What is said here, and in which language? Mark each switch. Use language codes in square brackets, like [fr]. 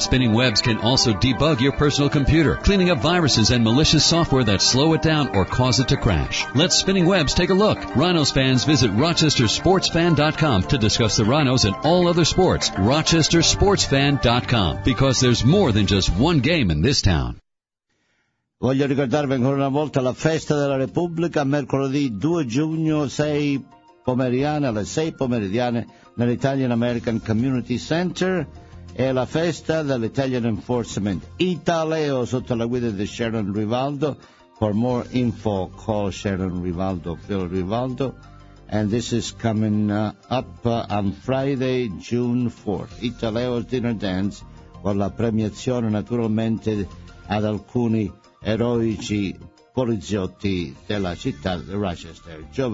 [en] Spinning Web's can also debug your personal computer, cleaning up viruses and malicious software that slow it down or cause it to crash. Let Spinning Web's take a look. Rhinos fans, visit rochestersportsfan.com to discuss the Rhinos and all other sports. rochestersportsfan.com, because there's more than just one game in this town. [it] Voglio ricordarvi ancora una volta la festa della Repubblica, mercoledì 2 giugno, 6 pomeridiane, alle 6 pomeridiane nell'Italian American Community Center, e la festa dell'Italian Enforcement Italeo sotto la guida di Sharon Rivaldo. For more info call Sharon Rivaldo, Phil Rivaldo, [en] and this is coming up on Friday, June 4th. [it] Italeo's Dinner Dance, con la premiazione naturalmente ad alcuni eroici poliziotti della città di Rochester.